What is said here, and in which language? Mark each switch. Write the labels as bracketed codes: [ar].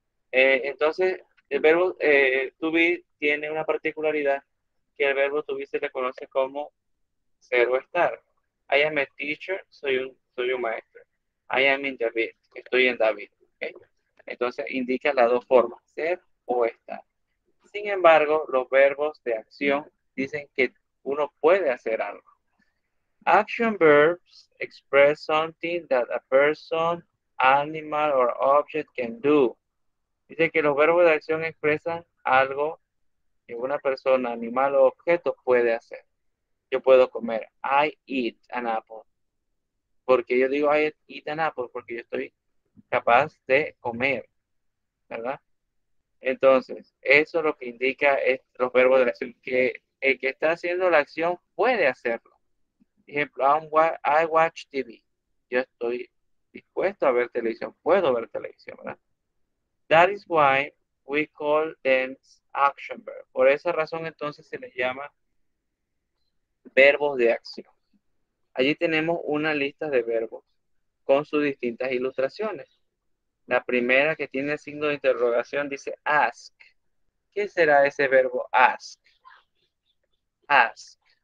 [es] Entonces, el verbo to be tiene una particularidad, que el verbo to be se le conoce como ser o estar. [en] I am a teacher, [es] soy un maestro. [en] I am in David, [es] estoy en David. [en] ¿Okay? [es] Entonces indica las dos formas, ser o estar. Sin embargo, los verbos de acción dicen que uno puede hacer algo. [en] Action verbs express something that a person, animal or object can do. [es] Dice que los verbos de acción expresan algo que una persona, animal o objeto puede hacer. Yo puedo comer. [en] I eat an apple. [es] Porque yo digo [en] I eat an apple, [es] porque yo estoy capaz de comer, ¿verdad? Entonces, eso es lo que indica los verbos de la acción, que el que está haciendo la acción puede hacerlo. Ejemplo, [en] I watch TV. [es] Yo estoy dispuesto a ver televisión, puedo ver televisión, ¿verdad? [en] That is why we call them action verb. [es] Por esa razón, entonces, se les llama verbos de acción. Allí tenemos una lista de verbos con sus distintas ilustraciones. La primera, que tiene signo de interrogación, dice ask. ¿Qué será ese verbo ask? Ask.